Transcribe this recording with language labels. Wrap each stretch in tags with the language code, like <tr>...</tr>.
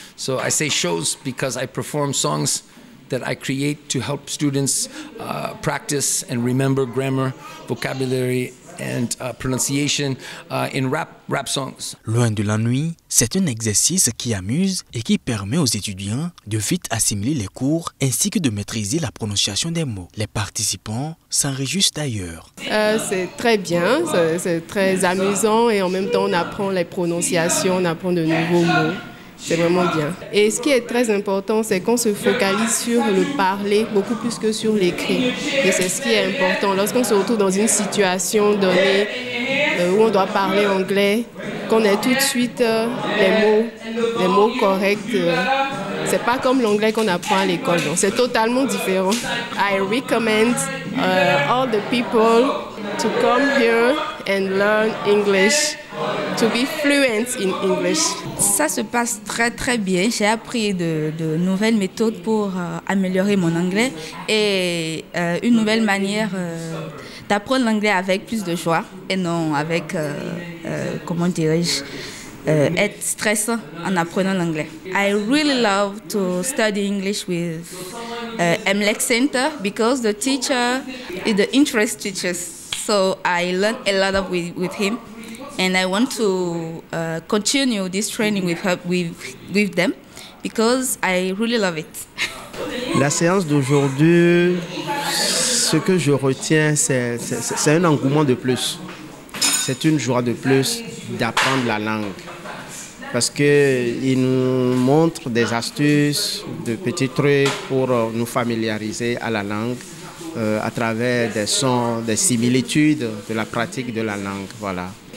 <en>So I say shows because I perform songs that I create to help students practice and remember grammar, vocabulary and pronunciation in rap songs.</en> <fr>Loin de l'ennui, c'est un exercice qui amuse et qui permet aux étudiants de vite assimiler les cours ainsi que de maîtriser la prononciation des mots. Les participants s'en réjouissent d'ailleurs. C'est très bien, c'est très amusant et en même temps on apprend les prononciations, on apprend de nouveaux mots. C'est vraiment bien. Et ce qui est très important, c'est qu'on se focalise sur le parler beaucoup plus que sur l'écrit. Et c'est ce qui est important. Lorsqu'on se retrouve dans une situation donnée où on doit parler anglais, qu'on ait tout de suite les mots corrects. C'est pas comme l'anglais qu'on apprend à l'école. Donc c'est totalement différent.</fr> <en>I recommend all the people to come here and learn English. To be fluent in English.</en> <fr>Ça se passe très très bien. J'ai appris de nouvelles méthodes pour améliorer mon anglais et une nouvelle manière d'apprendre l'anglais avec plus de joie et non avec, être stressant en apprenant l'anglais.</fr> <en>I really love to study English with MLEC Center because the teacher is the interest teacher. So I learn a lot of with him. And I want to continue this training with them because I really love it.</en> <fr>La séance d'aujourd'hui, ce que je retiens, c'est un engouement de plus. C'est une joie de plus d'apprendre la langue. Parce qu'ils nous montrent des astuces, de petits trucs pour nous familiariser à la langue à travers des sons, des similitudes de la pratique de la langue. Voilà.</fr>